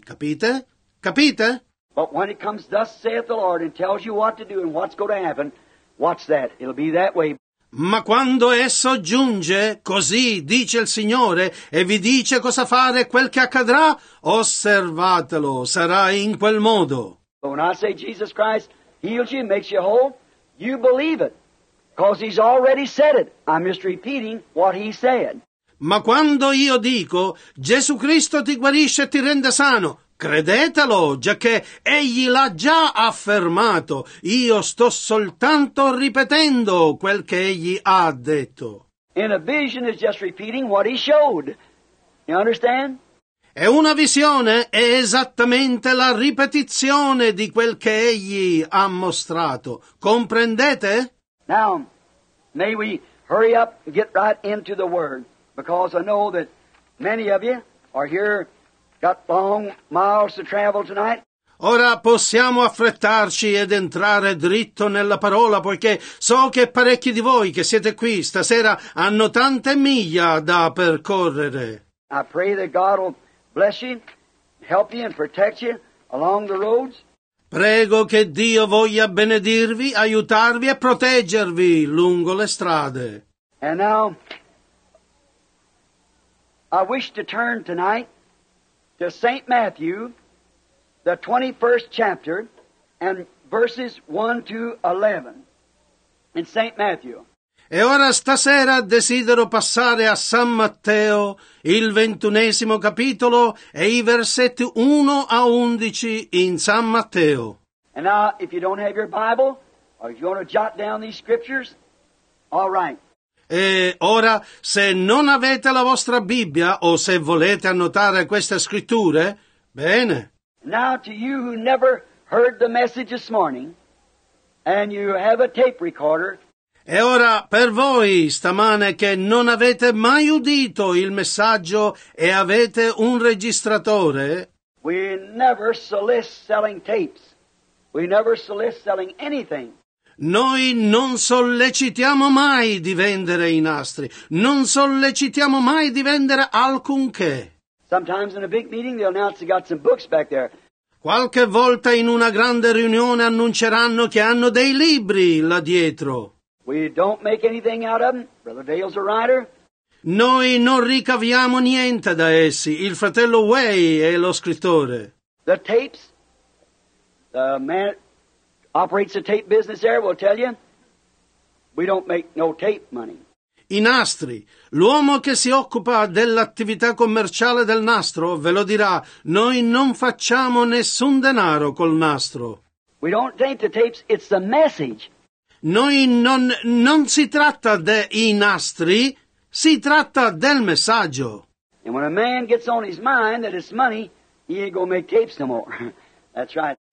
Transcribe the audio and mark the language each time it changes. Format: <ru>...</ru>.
<it>Capite? Capite?</it> <en>But when it comes, thus saith the Lord, and tells you what to do and what's going to happen, watch that. It'll be that way.</en> <it>Ma quando esso giunge, così dice il Signore, e vi dice cosa fare, quel che accadrà, osservatelo, sarà in quel modo.</it> <en>But when I say Jesus Christ heals you, makes you whole, you believe it, because he's already said it. I'm just repeating what he said.</en> <it>Ma quando io dico, Gesù Cristo ti guarisce e ti rende sano, credetelo, giacché egli l'ha già affermato. Io sto soltanto ripetendo quel che egli ha detto.</it> <en>In a vision is just repeating what he showed. You understand?</en> <it>E una visione è esattamente la ripetizione di quel che egli ha mostrato. Comprendete?</it> <en>Now, may we hurry up and get right into the word, because I know that many of you are here. Got long miles to travel tonight.</en> <it>Ora possiamo affrettarci ed entrare dritto nella parola, poiché so che parecchi di voi che siete qui stasera hanno tante miglia da percorrere.</it> <en>I pray that God will bless you, help you and protect you along the roads.</en> <it>Prego che Dio voglia benedirvi, aiutarvi e proteggervi lungo le strade.</it> <en>And now, I wish to turn tonight to St. Matthew, the 21st chapter, and verses 1 to 11, in St. Matthew.</en> <it>E ora stasera desidero passare a San Matteo, il 21esimo capitolo, e i versetti 1 a 11 in San Matteo.</it> <en>And now, if you don't have your Bible, or if you want to jot down these scriptures, all right.</en> <it>E ora, se non avete la vostra Bibbia o se volete annotare queste scritture, bene.</it> <en>Now to you who never heard the message this morning and you have a tape recorder.</en> <it>E ora per voi stamane che non avete mai udito il messaggio e avete un registratore.</it> <en>We never solicit selling tapes. We never solicit selling anything.</en> <it>Noi non sollecitiamo mai di vendere i nastri. Non sollecitiamo mai di vendere alcunché.</it> <en>Sometimes in a big meeting they'll announce they got some books back there.</en> <it>Qualche volta in una grande riunione annunceranno che hanno dei libri là dietro.</it> <en>We don't make anything out of them. Brother Dale's a writer.</en> <it>Noi non ricaviamo niente da essi. Il fratello Way è lo scrittore.</it> <en>The tapes, the man operates the tape business there, will tell you, we don't make no tape money.</en> <it>I nastri. L'uomo che si occupa dell'attività commerciale del nastro ve lo dirà, noi non facciamo nessun denaro col nastro.</it> <en>We don't tape the tapes, it's the message.</en> <it>Noi non si tratta dei nastri, si tratta del messaggio.</it> <en>And when a man gets on his mind that it's money, he ain't gonna make tapes no more. That's right.</en>